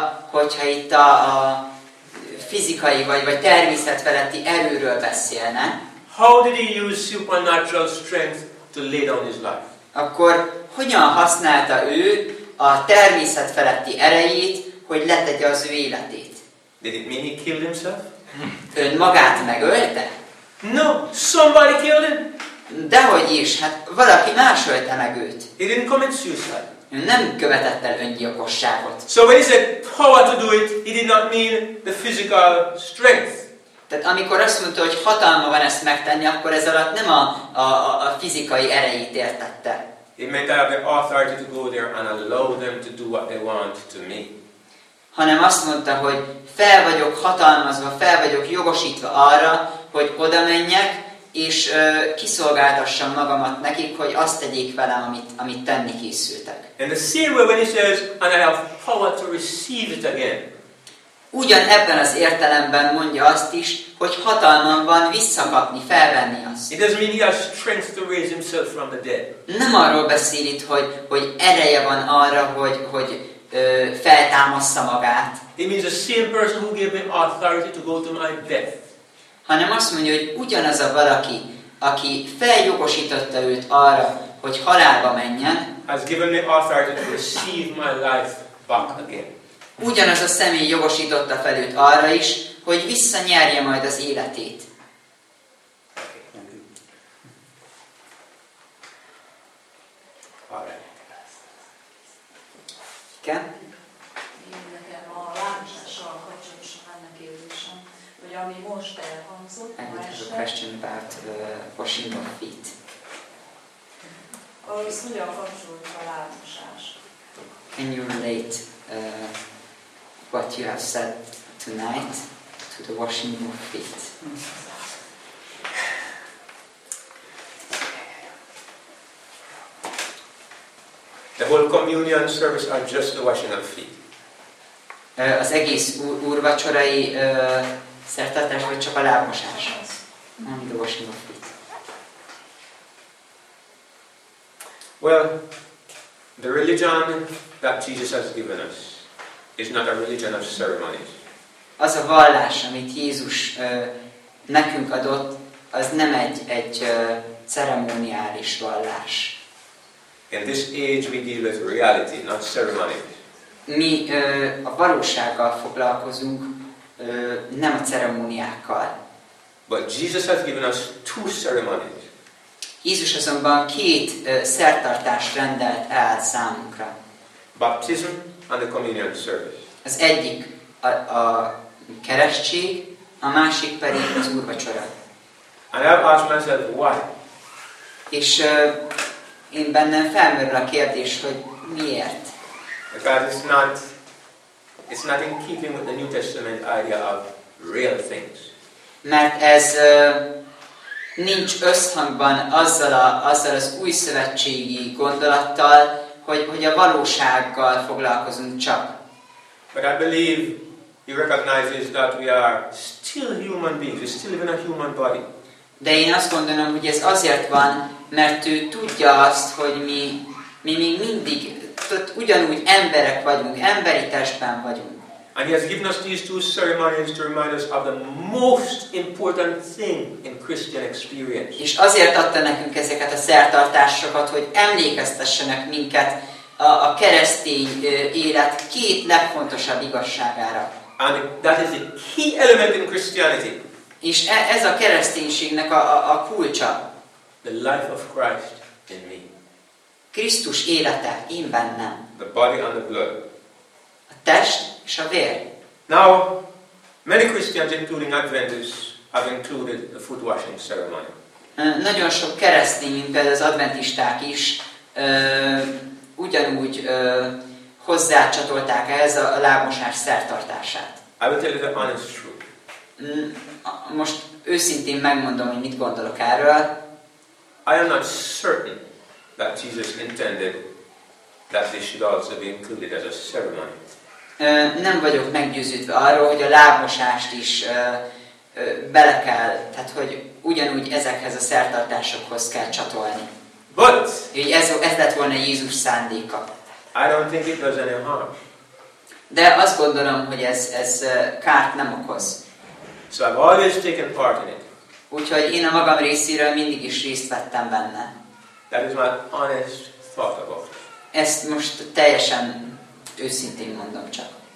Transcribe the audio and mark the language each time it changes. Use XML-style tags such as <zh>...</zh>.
<hu>hogyha itt a fizikai vagy természet feletti erőről beszélne.</hu> <en>How did he use supernatural strength to lay down his life?</en> <hu>Akkor hogyan használta ő a természet feletti erejét, hogy letegye az ő életét?</hu> <en>Did it mean he killed himself?</en> <hu>Ön magát megölte?</hu> <en>No, somebody killed him.</en> <hu>Dehogy is, hát valaki más ölte meg őt.</hu> <en>He didn't commit suicide.</en> <hu>Nem követett el öngyilkosságot.</hu> <en>So when he said power to do it, he did not mean the physical strength.</en> <hu>Tehát amikor azt mondta, hogy hatalma van ezt megtenni, akkor ez alatt nem a fizikai erejét értette.</hu> <en>He meant to have the authority to go there and allow them to do what they want to me.</en> <hu>Hanem azt mondta, hogy fel vagyok hatalmazva, fel vagyok jogosítva arra, hogy oda menjek, és kiszolgáltassam magamat nekik, hogy azt tegyék velem, amit tenni készültek.</hu> <en>In the same way when he says, and I have power to receive it again.</en> <hu>Ugyan ebben az értelemben mondja azt is, hogy hatalmam van visszakapni, felvenni azt.</hu> <en>It doesn't mean he has strength to raise himself from the dead.</en> <hu>Nem arról beszél itt, hogy ereje van arra, hogy feltámassza magát.</hu> <en>It means the same person who gave him authority to go to my death.</en> <hu>Hanem azt mondja, hogy ugyanaz a valaki, aki feljogosította őt arra, hogy halálba menjen,</hu> <en>has given me authority to receive my life back again.</en> <hu>Ugyanaz a személy jogosította fel őt arra is, hogy visszanyerje majd az életét. Igen? Nekem a látással kapcsolatosan lenne kérdésem, hogy ami most elhangzott, ma este...</hu> <en>I have a question about washing of feet.</en> <hu>Az ugyan kapcsolódik a látmosás.</hu> <en>Can you relate what you have said tonight to the washing of feet? The whole communion service are just the washing of feet.</en> <hu>Az egész úrvacsorai szertartás, vagy csak a lábmosás?</hu> <en>Only the washing of feet. Well, the religion that Jesus has given us is not a religion of ceremonies.</en> <hu>Az a vallás, amit Jézus nekünk adott, az nem egy ceremoniális vallás.</hu> <en>In this age we deal with reality, not ceremonies.</en> <hu>Mi a valósággal foglalkozunk, nem a ceremóniákkal.</hu> <en>But Jesus has given us two ceremonies.</en> <hu>Jézus azonban két szertartást rendelt el számunkra.</hu> <en>Baptism and the communion service.</en> <hu>Az egyik a keresztség, a másik pedig az úrvacsora.</hu> <en>And I've asked myself why.</en> <hu>És én bennem felmerül a kérdés, hogy miért.</hu> <en>Because it's not in keeping with the New Testament idea of real things.</en> <hu>Mert ez nincs összhangban azzal az új szövetségi gondolattal, hogy a valósággal foglalkozunk csak.</hu> <en>But I believe he recognizes that we are still human beings, we're still in a human body.</en> <hu>De én azt gondolom, hogy ez azért van, mert ő tudja azt, hogy mi még mindig ugyanúgy emberek vagyunk, emberi testben vagyunk.</hu> <en>And he has given us these two ceremonies to remind us of the most important thing in Christian experience.</en> <hu>És azért adta nekünk ezeket a szertartásokat, hogy emlékeztessenek minket a keresztény élet két legfontosabb igazságára.</hu> <en>And that is a key element in Christianity.</en> <hu>És ez a kereszténységnek a kulcsa.</hu> <en>The life of Christ in me.</en> <hu>Krisztus élete én bennem.</hu> <en>The body and the blood.</en> <hu>A test és a vér.</hu> <en>Now, many Christians, including Adventists, have included the foot washing ceremony.</en> <hu>Nagyon sok keresztény, mint például az adventisták is, ugyanúgy hozzácsatolták ehhez a lábmosás szertartását.</hu> <en>I will tell you the honest truth.</en> <hu>Most őszintén megmondom, hogy mit gondolok erről.</hu> <en>I am not certain that Jesus intended that this should also be included as a ceremony.</en> <hu>Nem vagyok meggyőződve arról, hogy a lábmosást is bele kell, tehát hogy ugyanúgy ezekhez a szertartásokhoz kell csatolni.</hu> <en>But</en> <hu>hogy ez lett volna Jézus szándéka.</hu> <en>I don't think it does any harm.</en> <hu>De azt gondolom, hogy ez kárt nem okoz.</hu> <en>So I've always taken part in it.</en> <hu>Úgyhogy én a magam részéről mindig is részt vettem benne.</hu> <en>That is my honest thought about it.</en> <hu>Ezt most teljesen őszintén mondom csak.</hu>